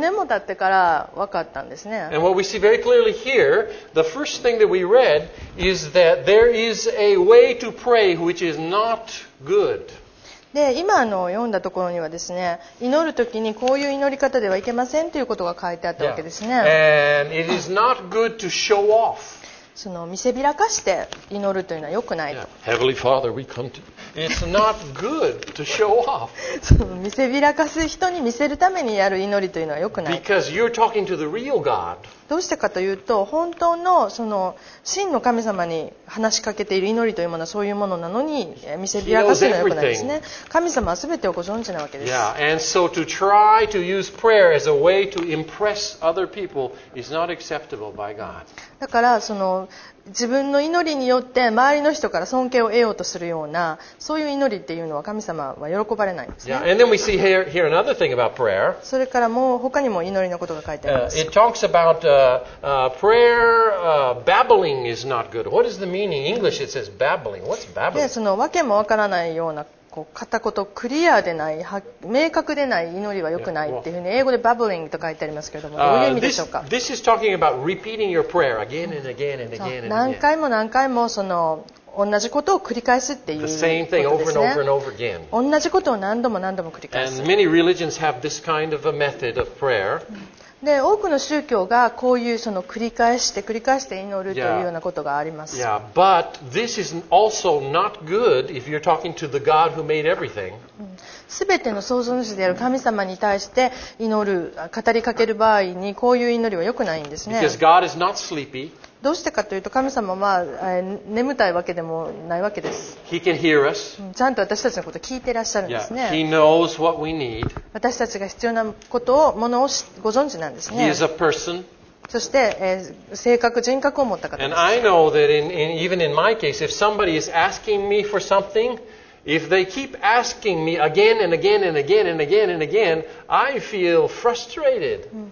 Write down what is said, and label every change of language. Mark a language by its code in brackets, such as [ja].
[ja] 年も経ってから分かったんですね。 [en] And what we see very clearly here, the first thing that we read is that there is a way to pray which is not good. [ja] で今読んだところにはですね、祈るときにこういう祈り方ではいけませんということが書いてあったわけですね。 [en] Yeah. And it is not good to show off. [ja] その見せびらかして祈るというのは良くないと。 [en] Yeah. Heavenly Father, we come to. It's not good to show off. [ja] その見せびらかす人に見せるためにやる祈りというのは良くない。 [en] Because you're talking to the real God. [ja] どうしてかというと、本当のその真の神様に話しかけている祈りというものはそういうものなのに見せびらかすのは良くないですね。神様はすべてをご存知なわけです。 [en] Yeah, and so to try to use prayer as a way to impress other people is not acceptable by God. [ja] だからその自分の祈りによって周りの人から尊敬を得ようとするようなそういう祈りっていうのは神様は喜ばれないんですね。 [en] Yeah, and then we see here, [ja] それからもう他にも祈りのことが書いてあります。 [en] It talks about prayer babbling is not good. What is the meaning? English it says babbling. What's babbling? [ja] でそのわけもわからないようなこう片言クリアでない明確でない祈りは良くないっていうふうに英語でバブリングと書いてありますけれどもどういう意味でしょうか。 [en] This is talking about repeating your prayer again and again and again and again. [ja] 何回も何回もその同じことを繰り返すっていうことですね。同じことを何度も何度も繰り返す。 [en] And many religions have this kind of a method of prayer. [ja] で多くの宗教がこういうその繰り返して繰り返して祈るというようなことがあります。 [en] Yeah. Yeah. But this is also not good if you're talking to the God who made everything. [ja] 全ての創造主である神様に対して祈る、語りかける場合にこういう祈りは良くないんですね。 [en] Because God is not sleepy. [ja] どうしてかというと神様は眠たいわけでもないわけです。 [en] He can hear us. [ja] ちゃんと私たちのことを聞いてらっしゃるんですね。 [en] Yeah. He knows what we need. [ja] 私たちが必要なことを、ものをご存知なんですね。 [en] He is a person. [ja] そして、性格、人格を持った方です。 [en] And I know that in, even in my case, if somebody is asking me for something, If they keep asking me again and again and again and again and again, I feel frustrated.